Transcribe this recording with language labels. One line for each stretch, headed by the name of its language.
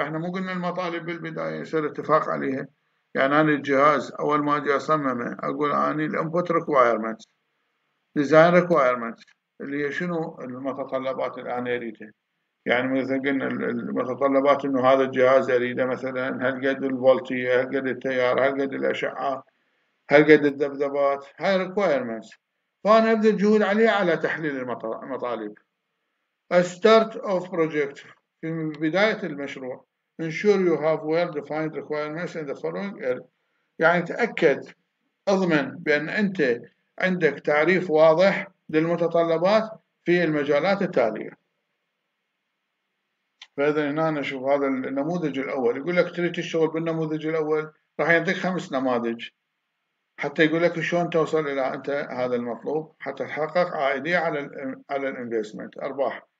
Arabic: احنا مو قلنا المطالب بالبداية يصير اتفاق عليها، يعني انا الجهاز اول ما اجي اصممه اقول اني
English: الانبوت requirement design requirement
Arabic: اللي هي شنو المتطلبات اللي انا اريدها. يعني مثلا قلنا المتطلبات انه هذا الجهاز اريده مثلا هل قد الفولتي، هل قد التيار، هل قد الاشعه، هل قد الذبذبات، هاي ريكوايرمنت. فانا ابدا الجهود عليه على تحليل المطالب.
English: A start of project
Arabic: في بداية المشروع
English: ensure you have well defined requirements in the following area.
Arabic: يعني تأكد اضمن بأن أنت عندك تعريف واضح للمتطلبات في المجالات التالية. فإذا هنا نشوف هذا النموذج الأول يقول لك تريد تشتغل بالنموذج الأول راح يعطيك 5 نماذج حتى يقول لك شلون توصل إلى أنت هذا المطلوب حتى تحقق عائدية على الانفستمنت أرباح.